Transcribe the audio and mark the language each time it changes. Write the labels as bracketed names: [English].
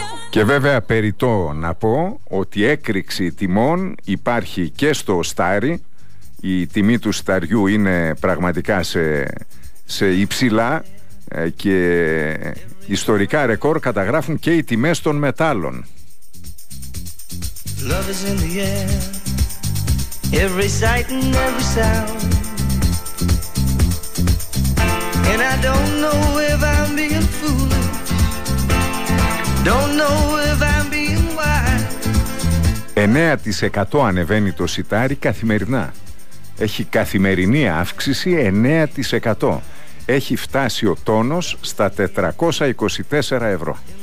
[Greek] Και βέβαια περιττό να πω ότι έκρηξη τιμών υπάρχει και στο στάρι. Η τιμή του σταριού είναι πραγματικά σε υψηλά και ιστορικά ρεκόρ καταγράφουν και οι τιμές των μετάλλων. [English] Love is in the air, every sight and every sound. And I don't know if I'm being foolish, don't know if I'm being wise. [Greek] 9% ανεβαίνει το σιτάρι καθημερινά. Έχει καθημερινή αύξηση 9%. Έχει φτάσει ο τόνος στα 424 ευρώ.